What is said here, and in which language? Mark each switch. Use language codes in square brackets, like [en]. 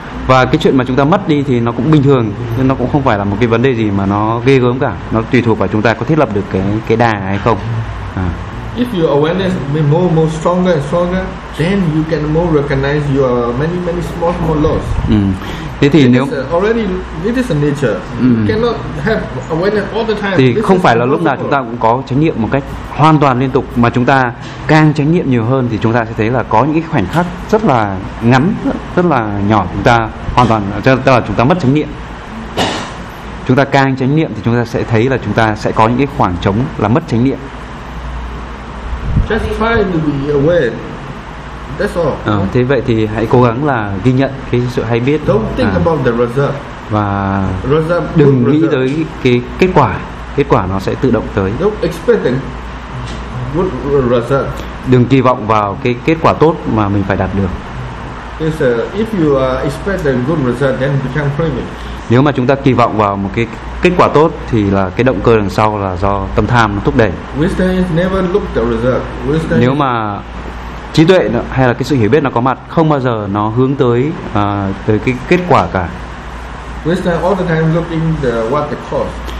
[vi] Và cái chuyện mà chúng ta mất đi thì nó cũng bình thường, nhưng nó cũng không phải là một cái vấn đề gì mà nó ghê gớm cả. Nó tùy thuộc vào chúng ta có thiết lập được cái đà hay không. [en] If your awareness be more stronger and stronger, then you can more recognize your many many small small loss. [vi] Thế thì nếu [en] already it is a nature, cannot have awareness all the time. [vi] Thì không phải là lúc nào chúng ta cũng có chánh niệm một cách hoàn toàn liên tục, mà chúng ta càng chánh niệm nhiều hơn thì chúng ta sẽ thấy là có những cái khoảnh khắc rất là ngắn, rất là nhỏ chúng ta hoàn toàn, tức là chúng ta mất chánh niệm. Chúng ta càng chánh niệm thì chúng ta sẽ thấy là chúng ta sẽ có những cái khoảng trống là mất chánh niệm. [en] Just try to be aware. That's all. [vi] Thế vậy thì hãy cố gắng là ghi nhận cái sự hay biết. [en] Don't think about the result. [vi] Và [en] result, [vi] đừng [en] result. [vi] Nghĩ tới cái kết quả nó sẽ tự động tới. [en] Don't expect a good result. [vi] Đừng kỳ vọng vào cái kết quả tốt mà mình phải đạt được. [en] is if you expect a good result, then become craving. [vi] Nếu mà chúng ta kỳ vọng vào một cái kết quả tốt thì là cái động cơ đằng sau là do tâm tham nó thúc đẩy. [en] Wisdom is never look the result. Wisdom. [vi] Nếu mà trí tuệ hay là cái sự hiểu biết nó có mặt, không bao giờ nó hướng tới tới cái kết quả cả. [en] Wisdom all the time looking the what the cause.